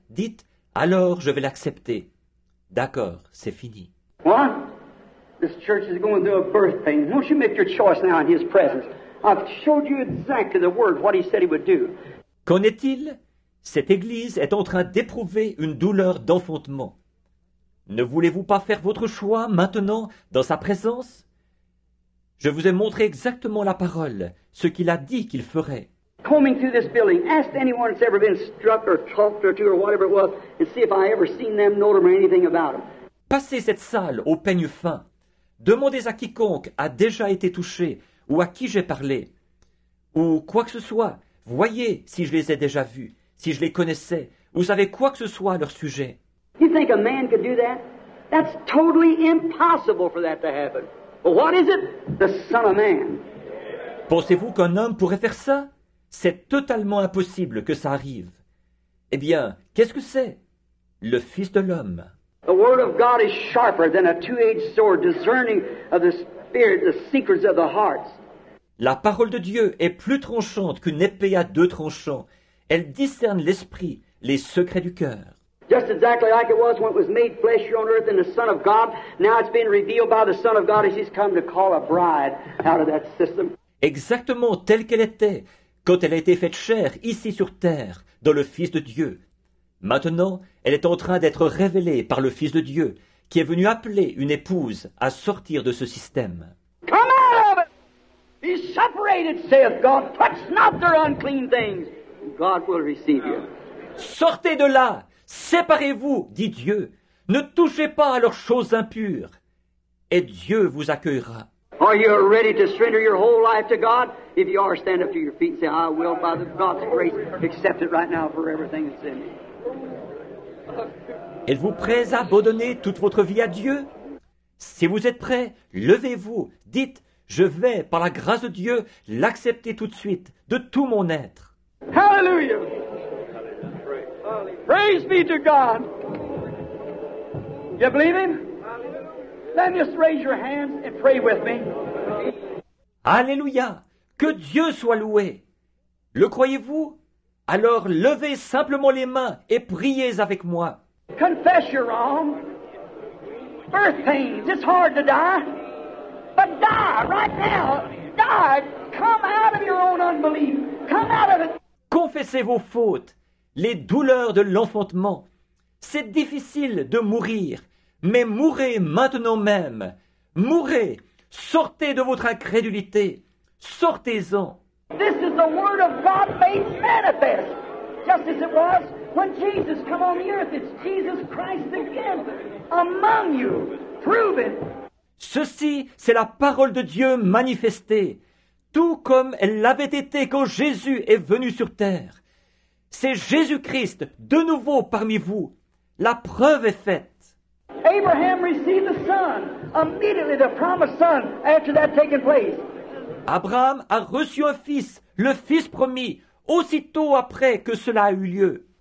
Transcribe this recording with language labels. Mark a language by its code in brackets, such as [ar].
[fr] Dites, alors je vais l'accepter. D'accord, c'est fini. [en] What? This church is going through a birth pain. Won't you make your choice now in his presence? I've showed you exactly the word, what he said he would do. [fr] Qu'en est-il? Cette église est en train d'éprouver une douleur d'enfantement. Ne voulez-vous pas faire votre choix maintenant dans sa présence? Je vous ai montré exactement la parole, ce qu'il a dit qu'il ferait. [en] Combing through this building, ask anyone that's ever been struck or talked or to or whatever it was, and see if I ever seen them, know them or anything about them. [fr] Passez cette salle au peigne fin. Demandez à quiconque a déjà été touché ou à qui j'ai parlé ou quoi que ce soit. Voyez si je les ai déjà vus, si je les connaissais ou savez quoi que ce soit à leur sujet. [en] You think a man could do that? That's totally impossible for that to happen. But what is it? The Son of Man. [fr] Pensez-vous qu'un homme pourrait faire ça? C'est totalement impossible que ça arrive. Eh bien, qu'est-ce que c'est? Le Fils de l'homme. [en] The word of God is sharper than a two-edged sword, discerning of the spirit, the secrets of the hearts. [fr] La parole de Dieu est plus tranchante qu'une épée à deux tranchants. Elle discerne l'esprit, les secrets du cœur. [en] Just exactly like it was when it was made flesh here on earth in the Son of God. Now it's been revealed by the Son of God as He's come to call a bride out of that system. [fr] Exactement telle qu'elle était quand elle a été faite chair ici sur terre dans le Fils de Dieu. Maintenant, elle est en train d'être révélée par le Fils de Dieu, qui est venu appeler une épouse à sortir de ce système. [en] Come out of it! Be separated, saith God. Touch not their unclean things. God will receive you. [fr] Sortez de là! Séparez-vous, dit Dieu. Ne touchez pas à leurs choses impures. Et Dieu vous accueillera. [en] Are you ready to surrender your whole life to God? If you are, stand up to your feet and say, I will, by God's grace, accept it right now for everything that's in me. [fr] Êtes-vous prêts à abandonner toute votre vie à Dieu? Si vous êtes prêts, levez-vous, dites, je vais, par la grâce de Dieu, l'accepter tout de suite, de tout mon être. [en] Hallelujah! Praise be to God! You believe him? Then just raise your hands and pray with me. [fr] Alléluia! Que Dieu soit loué! Le croyez-vous? Alors levez simplement les mains et priez avec moi. [en] Confess your wrong. Birth pains, it's hard to die. But die right now. Die. Come out of your own unbelief. Come out of it. [fr] Confessez vos fautes, les douleurs de l'enfantement. C'est difficile de mourir, mais mourez maintenant même. Mourez, sortez de votre incrédulité, sortez-en. [en] This is the word of God made manifest, just as it was when Jesus came on the earth. It's Jesus Christ again among you. Prove it. [fr] Ceci, c'est la parole de Dieu manifestée, tout comme elle l'avait été quand Jésus est venu sur terre. C'est Jésus-Christ de nouveau parmi vous. La preuve est faite. [en] Abraham received the son, immediately the promised son, after that taken place. [fr] Abraham a reçu un fils, le fils promis, aussitôt après que cela a eu lieu.